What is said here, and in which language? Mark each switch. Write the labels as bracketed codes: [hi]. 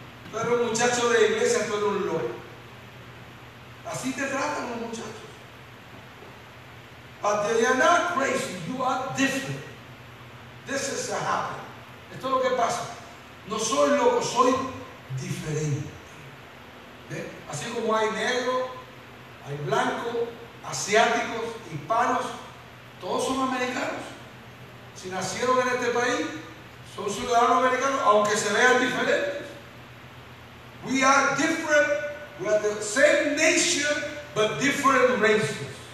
[es] Tú eres un muchacho de iglesia, tú eres un loco. Así te tratan los muchachos. [en] But they are not crazy, you are different. This is what happened. [es] Esto es lo que pasa. No soy loco, soy diferente. ¿Eh? Así como hay negro, hay blanco, asiáticos, hispanos, todos son americanos. Si nacieron en este país, son ciudadanos americanos, aunque se vean diferentes. [en] We are different, we are the same nation, but different races.